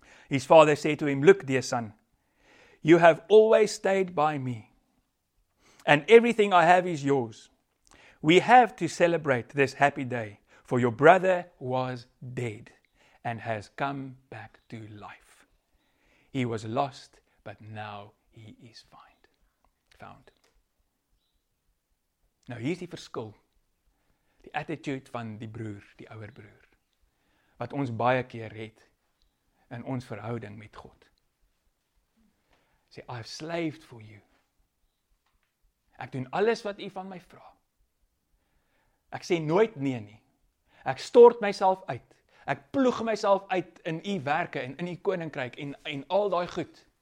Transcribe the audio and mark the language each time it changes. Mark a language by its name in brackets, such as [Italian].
[English] His father said to him, look, dear son, you have always stayed by me, and everything I have is yours. We have to celebrate this happy day, for your brother was dead and has come back to life. He was lost, but now he is found. [Afrikaans] Nou hier is die verskil. Die attitude van die broer, die ouer broer. Wat ons baie keer het in ons verhouding met God. Sê, [English] I have slaved for you. [Afrikaans] Ek doen alles wat u van my vra. Ek sê nooit nee nie. Ek stort myself uit. Ek ploeg myself uit in u werke en in u koninkryk en al daai goed.